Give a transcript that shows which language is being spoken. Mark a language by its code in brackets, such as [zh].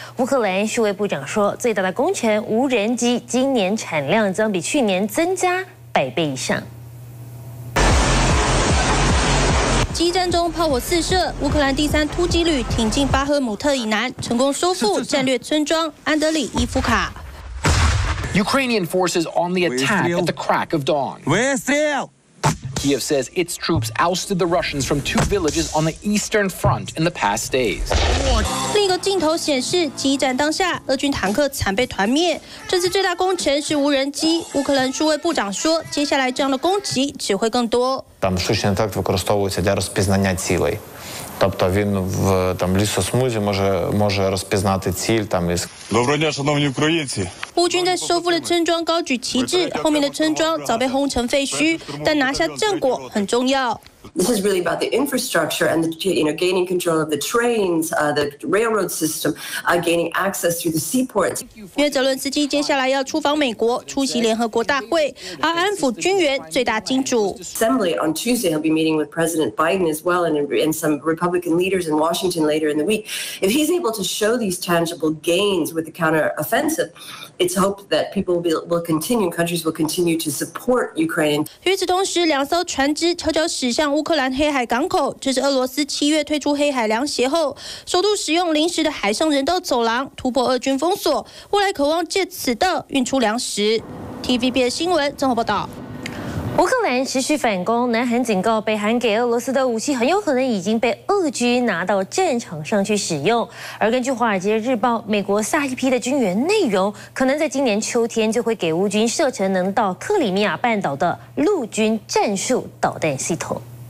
[zh] 乌克兰数位部长说，最大的工程无人机今年产量将比去年增加100倍以上。激战中炮火四射，乌克兰第三突击旅挺进巴赫姆特以南，成功收复战略村庄安德里伊夫卡。 [en] Ukrainian forces on the attack at the crack of dawn. We're still. Kiev says its troops ousted the Russians from 2 villages on the eastern front in the past days. [zh] 另一个镜头显示，激战当下，俄军坦克惨被团灭。这次最大工程是无人机。乌克兰数位部长说，接下来这样的攻击只会更多。 [uk] Там штучний інтелект використовується для розпізнання цілей. Тобто він в там лісосмузі може розпізнати ціль там із. Доброго дня, шановні українці. [zh] 乌军在收复的村庄高举旗帜，后面的村庄早被轰成废墟，但拿下战果很重要。 [en] This is really about the infrastructure and the, you know, gaining control of the trains, the railroad system, gaining access through the seaports. [zh] 因为泽伦斯基接下来要出访美国，出席联合国大会，而安抚军援最大金主。 [en] Assembly on Tuesday, he'll be meeting with President Biden as well, and some Republican leaders in Washington later in the week. If he's able to show these tangible gains with the counteroffensive, it's hoped that people will continue, countries will continue to support Ukraine. [zh] 与此同时，两艘船只悄悄驶向乌克兰黑海港口，这是俄罗斯七月退出黑海凉协后首度使用临时的海上人道走廊突破俄军封锁，未来渴望借此道运出粮食。 TVB 新闻综合报道。乌克兰持续反攻，南韩警告北韩给俄罗斯的武器很有可能已经被俄军拿到战场上去使用，而根据华尔街日报，美国下一批的军援内容可能在今年秋天就会给乌军射程能到克里米亚半岛的陆军战术导弹系统。